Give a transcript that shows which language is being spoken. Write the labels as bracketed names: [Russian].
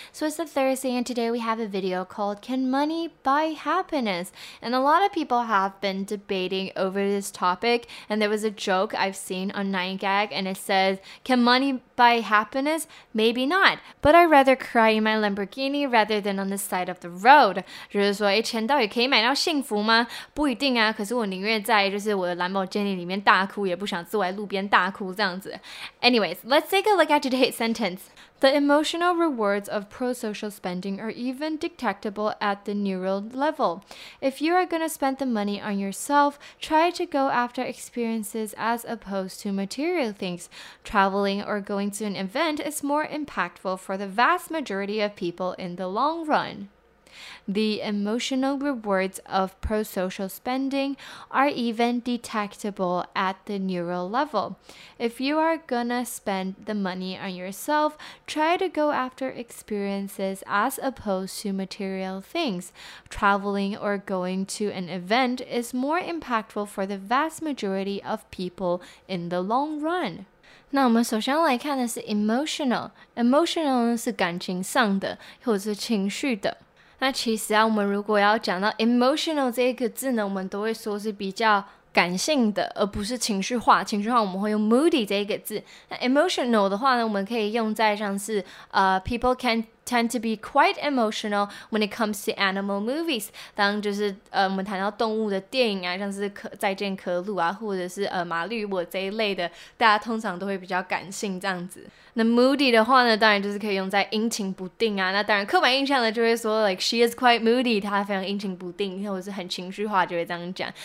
[English] So it's a Thursday, and today we have a video called Can Money Buy Happiness? And a lot of people have been debating over this topic, and there was a joke I've seen on 9gag, and it says, can money buy happiness? Maybe not, but I'd rather cry in my Lamborghini rather than on the side of the road. [Chinese] 就是说，诶，钱到底可以买到幸福吗？不一定啊，可是我宁愿在就是我的兰博基尼里面大哭，也不想坐在路边大哭这样子。 [English] Anyways, let's take a look at today's sentence. The emotional rewards of pro-social spending are even detectable at the neural level. If you are going to spend the money on yourself, try to go after experiences as opposed to material things. Traveling or going to an event is more impactful for the vast majority of people in the long run. The emotional rewards of pro-social spending are even detectable at the neural level. If you are gonna spend the money on yourself, try to go after experiences as opposed to material things. Traveling or going to an event is more impactful for the vast majority of people in the long run. [Chinese] 那我们首先来看的是 emotional 是感情上的或者是情绪的。那其实啊，我们如果要讲到 emotional 这个字呢，我们都会说是比较感性的，而不是情绪化。情绪化我们会用 moody 这个字。那 emotional 的话呢，我们可以用在像是 [English] people can tend to be quite emotional when it comes to animal movies。 [Chinese] 当就是我们谈到动物的电影啊，像是再见可鲁啊，或者是马律我这一类的，大家通常都会比较感性这样子。那 moody 的话呢，当然就是可以用在阴晴不定啊。那当然刻板印象呢，就会说 [English] like she is quite moody， [Chinese] 她非常阴晴不定，或者是很情绪化，就会这样讲。